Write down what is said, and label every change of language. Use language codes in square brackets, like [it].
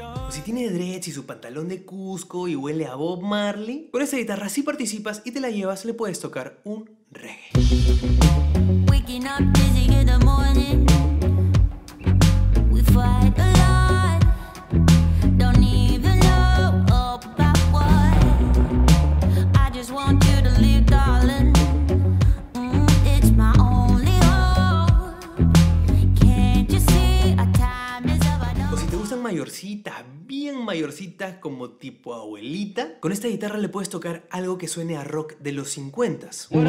[es] Si tiene dreads y su pantalón de Cusco y huele a Bob Marley, con esa guitarra si participas y te la llevas, le puedes tocar un reggae. [en] Waking up busy in the morning. We fight a lot. Don't even know about what. I just want you to leave, darling. It's my only hope. Can't you see our time is up? [es] O si te gustan mayorcitas, bien mayorcitas, como tipo abuelita, con esta guitarra le puedes tocar algo que suene a rock de los 50s.